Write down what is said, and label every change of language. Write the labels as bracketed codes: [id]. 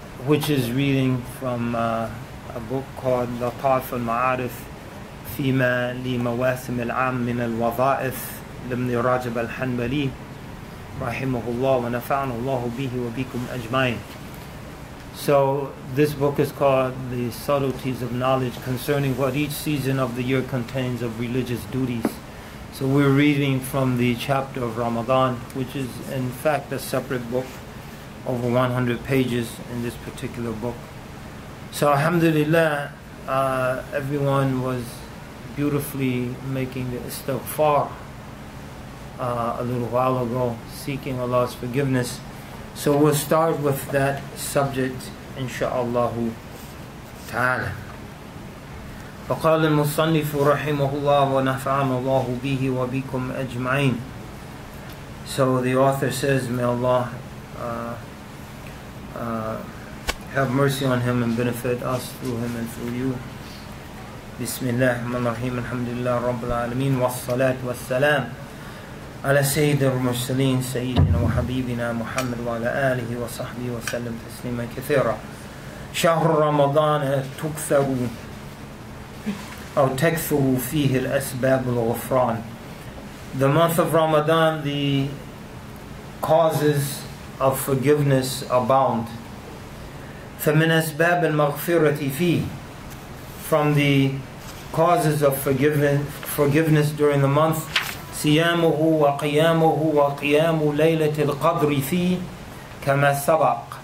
[en] which is reading from a book called [ar] لطائف المعارف فيما لمواسم العام من الوظائف لابن رجب الحنبلي رحمه الله ونفعنا الله به وبكم أجمعين. [en] So this book is called The Subtleties of Knowledge Concerning What Each Season of the Year Contains of Religious Duties. So we're reading from the chapter of Ramadan, which is in fact a separate book, over 100 pages in this particular book. So alhamdulillah, everyone was beautifully making the istighfar a little while ago, seeking Allah's forgiveness. So we'll start with that subject, insha'Allah ta'ala. [ar] فقال المصنف رحمه الله ونفعنا الله به وبكم أجمعين. [en] So the author says, may Allah have mercy on him and benefit us through him and through you. [ar] بسم الله الرحمن الرحيم الحمد لله رب العالمين والصلاة والسلام على سيد المرسلين سيدنا وحبيبنا محمد وعلى آله وصحبه وسلم تسليما كثيرا شهر رمضان تكثر أو تكثر فيه الأسباب الغفران. [en] The month of Ramadan, the causes of forgiveness abound. [ar] فمن أسباب المغفرة فيه. [en] From the causes of forgiveness during the month, [ar] صيامه وقيامه وقيام ليلة القدر فيه كما سبق.